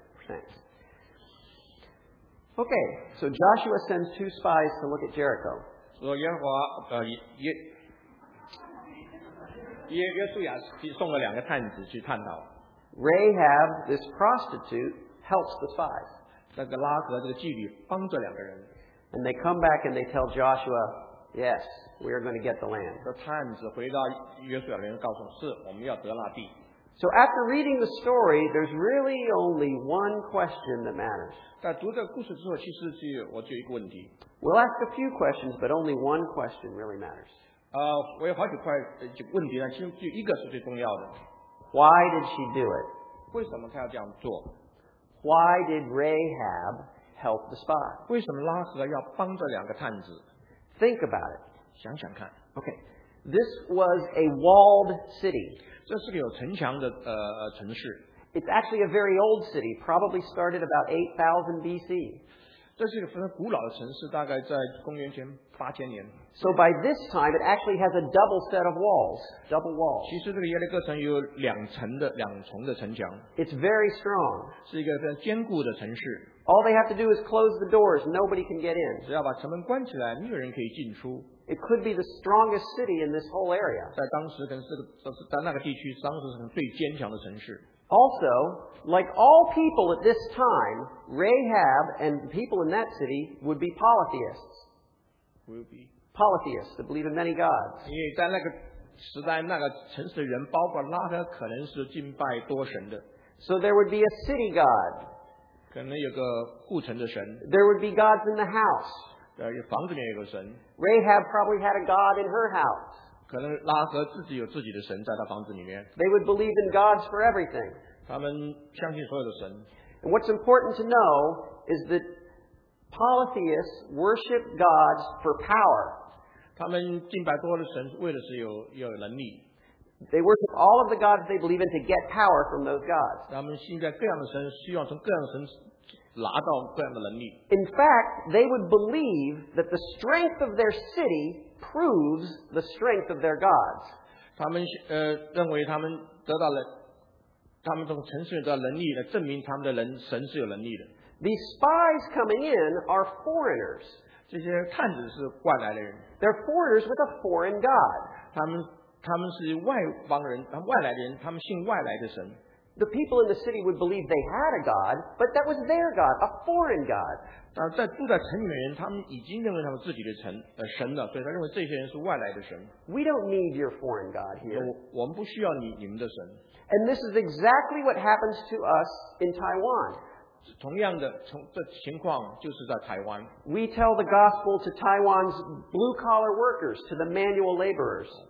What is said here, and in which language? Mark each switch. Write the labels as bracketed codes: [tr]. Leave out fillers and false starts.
[en] Okay, so Joshua sends two spies to look at Jericho. [zh] So Yehua, 约书亚送了两个探子去探讨。 [en] Rahab, this prostitute, helps the spies. [zh] 那个拉和这个妓女帮着两个人。 [en] And they come back and they tell Joshua, yes, we are going to get the land. [zh] 这探子回到约书亚的人告诉他，是，我们要得那地。 [en] So after reading the story, there's really only one question that matters. [zh] 在读这个故事之后，其实是我只有一个问题。 [en] We'll ask a few questions, but only one question really matters. [zh] 我有好几块问题呢，其实一个是最重要的。 [en] Why did she do it? [zh] 为什么她要这样做？ [en] Why did Rahab help the spies? [zh] 为什么拉合要帮这两个探子？ [en] Think about it. [zh] 想想看。 [en] Okay. This was a walled city. [zh] 这是个有城墙的城市。 [en] It's actually a very old city, probably started about 8000 BC. [zh] 这是一个非常古老的城市，大概在公元前8000年。 [en] So by this time, it actually has a double set of walls, double walls. [zh] 其实这个耶利哥城有两重的城墙。 [en] It's very strong. [zh] 是一个非常坚固的城市。 [en] All they have to do is close the doors, nobody can get in. [zh] 只要把城门关起来，没有人可以进出。 [en] It could be the strongest city in this whole area. [zh] 在当时可能是在那个地区，当时是最坚强的城市。 [en] Also, like all people at this time, Rahab and people in that city would be polytheists. Would be polytheists that believe in many gods. [zh] 因为在那个时代，那个城市的人，包括拉合，可能是敬拜多神的。 [en] So there would be a city god. [zh] 可能有个护城的神。 [en] There would be gods in the house. [zh] 房子里面有个神。 [en] Rahab probably had a god in her house. [zh] 可能拉合自己有自己的神在他房子里面。 [en] They would believe in gods for everything. [zh] 他们相信所有的神。 [en] And what's important to know is that polytheists worship gods for power. [zh] 他们敬拜多的神为的是有能力。 [en] They worship all of the gods they believe in to get power from those gods. [zh] 他们信在各样的神，希望从各样的神拿到各样的能力。 [en] In fact, they would believe that the strength of their city proves the strength of their gods. [zh] 他们认为他们得到了，他们从城市得到能力来证明他们的人神是有能力的。 [en] These spies coming in are foreigners. [zh] 这些探子是外来的人。 [en] They're foreigners with a foreign god. [zh] 他们是外邦人，外来的人，他们信外来的神。 [en] The people in the city would believe they had a god, but that was their god, a foreign god. [zh] 在住在城里的人，他们已经认为他们自己的神了，所以他认为这些人是外来的神。 [en] We don't need your foreign god here. [zh] 我们不需要你们的神。 [en] And this is exactly what happens to us in Taiwan. [zh] 同样的，这情况就是在台湾。 [en] We tell the gospel to Taiwan's blue collar workers, to the manual laborers.